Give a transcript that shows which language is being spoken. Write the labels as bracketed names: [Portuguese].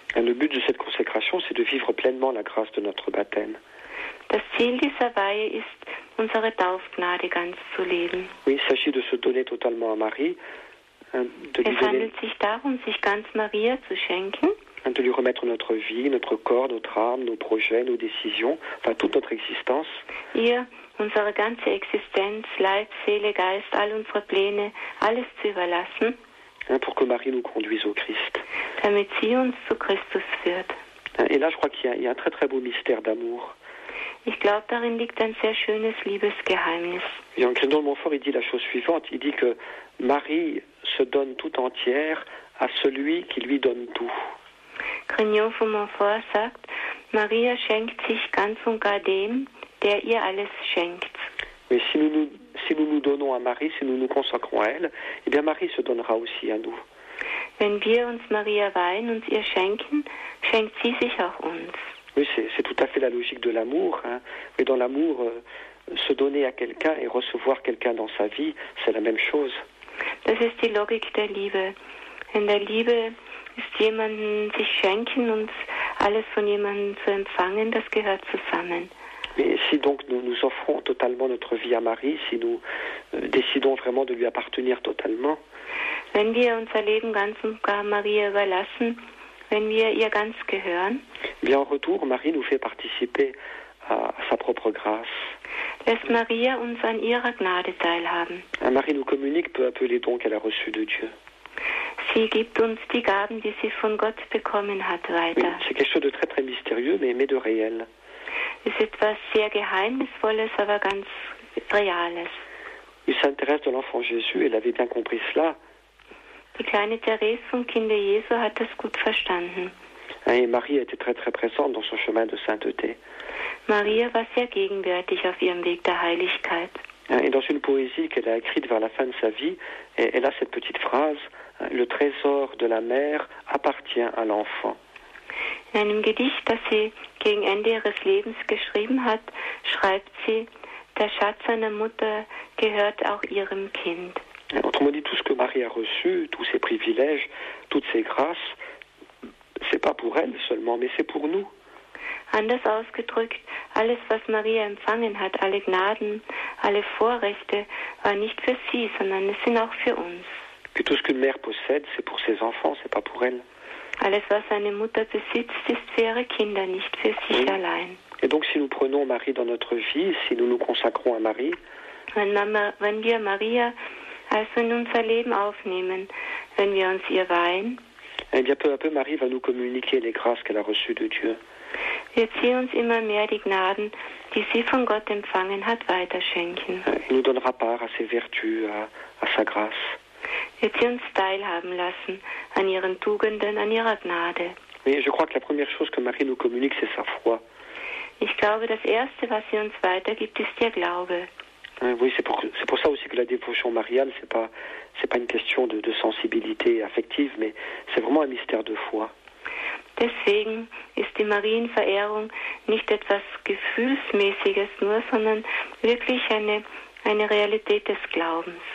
[French] Et le but de cette consécration, c'est de vivre pleinement la grâce de notre baptême. [German] Das Ziel dieser Weihe ist, unsere Taufgnade ganz zu leben. [French] Oui, il s'agit de se donner totalement à Marie. [German] Handelt sich darum, sich ganz Maria zu schenken. [French] De lui remettre notre vie, notre corps, notre âme, nos projets, nos décisions, enfin toute notre existence. [German] Ihr, unsere ganze Existenz, Leib, Seele, Geist, all unsere Pläne, alles zu überlassen. [French] Pour que Marie nous conduise au Christ. [German] Damit sie uns zu Christus führt. [French] Et là, je crois qu'il y a un très très beau mystère d'amour. [German] Ich glaube, darin liegt ein sehr schönes Liebesgeheimnis. [French] Et en Grignion de Montfort, il dit la chose suivante. Il dit que Marie se donne tout entière à celui qui lui donne tout. [German] Grignion von Montfort sagt, Maria schenkt sich ganz und gar dem, der ihr alles schenkt. [French] Mais si nous nous donnons à Marie, si nous nous consacrons à elle, eh bien Marie se donnera aussi à nous. [German] Wenn wir uns Maria weihen und ihr schenken, schenkt sie sich auch uns. [French] Oui, c'est tout à fait la logique de l'amour. Hein. Mais dans l'amour, se donner à quelqu'un et recevoir quelqu'un dans sa vie, c'est la même chose. [German] Das ist die Logik der Liebe. In der Liebe ist jemanden sich schenken und alles von jemandem zu empfangen, das gehört zusammen. [French] Mais si donc nous nous offrons totalement notre vie à Marie, si nous décidons vraiment de lui appartenir totalement, [German] wenn wir unser Leben ganz und gar Maria überlassen, wenn wir ihr ganz gehören, [French] bien en retour, Marie nous fait participer à sa propre grâce. [German] Lässt Maria uns an ihrer Gnade teilhaben. [French] Et Marie nous communique peu à peu les dons qu'elle a reçus de Dieu. [German] Sie gibt uns die Gaben, die sie von Gott bekommen hat, weiter. [French] Oui, c'est quelque chose de très très mystérieux, mais de réel. [German] Ist etwas sehr Geheimnisvolles, aber ganz Reales. [French] Il s'intéresse de l'enfant Jésus, elle avait bien compris cela. [German] Die kleine Therese vom Kinde Jesu hat das gut verstanden. [French] Et Marie était très très présente dans son chemin de sainteté. [German] Maria war sehr gegenwärtig auf ihrem Weg der Heiligkeit. [French] Et dans une poésie qu'elle a écrite vers la fin de sa vie, elle a cette petite phrase, le trésor de la mère appartient à l'enfant. [German] In einem Gedicht, das sie gegen Ende ihres Lebens geschrieben hat, schreibt sie, der Schatz seiner Mutter gehört auch ihrem Kind. [French] Autrement dit, tout ce que Marie a reçu, tous ses privilèges, toutes ses grâces, c'est pas pour elle seulement, mais c'est pour nous. [German] Anders ausgedrückt, alles, was Maria empfangen hat, alle Gnaden, alle Vorrechte, war nicht für sie, sondern es sind auch für uns. [French] Puis tout ce qu'une mère possède, c'est pour ses enfants, c'est pas pour elle. [German] Alles, was eine Mutter besitzt, ist für ihre Kinder, nicht für sich allein. [French] Et donc, si nous prenons Marie dans notre vie, si nous nous consacrons à Marie, [German] wenn wir Maria also in unser Leben aufnehmen, wenn wir uns ihr weihen, [French] eh bien, peu à peu, Marie va nous communiquer les grâces qu'elle a reçues de Dieu. [German] Wird sie uns immer mehr die Gnaden, die sie von Gott empfangen hat, weiterschenken. [French] Elle nous donnera part à ses vertus, à sa grâce. [German] Wird sie uns teilhaben lassen an ihren Tugenden, an ihrer Gnade. [French] Mais je crois que la première chose que Marie nous communique, c'est sa foi. [German] Ich glaube, das Erste, was sie uns weitergibt, ist ihr Glaube. [French] Oui, c'est pour ça aussi que la dévotion mariale, c'est pas une question de sensibilité affective, mais c'est vraiment un mystère de foi. [German] Deswegen ist die Marienverehrung nicht etwas Gefühlsmäßiges nur, sondern wirklich eine Realität des Glaubens.